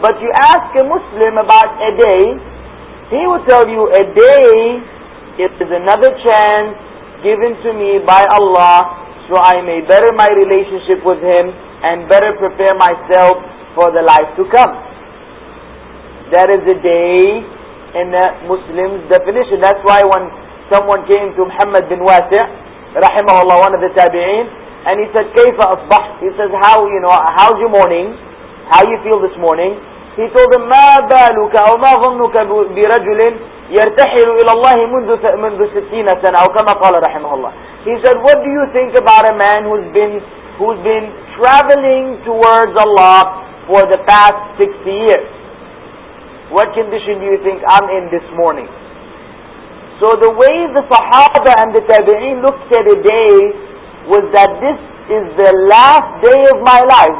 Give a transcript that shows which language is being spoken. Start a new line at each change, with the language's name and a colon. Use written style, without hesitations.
English: But you ask a Muslim about a day, he will tell you a day is another chance given to me by Allah so I may better my relationship with Him and better prepare myself for the life to come. That is a day in a Muslim's definition. That's why when someone came to Muhammad bin Wasi' rahimahullah, one of the tabi'een, and he said,
Arabic: كيف أصبحت?
English: He says, how's your morning? How you feel this morning? He told him,
Arabic: ما بالك أو ما ظنك برجل يرتحل إلى الله منذ 60 سنة أو كما قال رحمه الله.
English: He said, what do you think about a man who's been traveling towards Allah for the past 60 years? What condition do you think I'm in this morning? So the way the Sahaba and the Tabi'een looked at a day was that this is the last day of my life.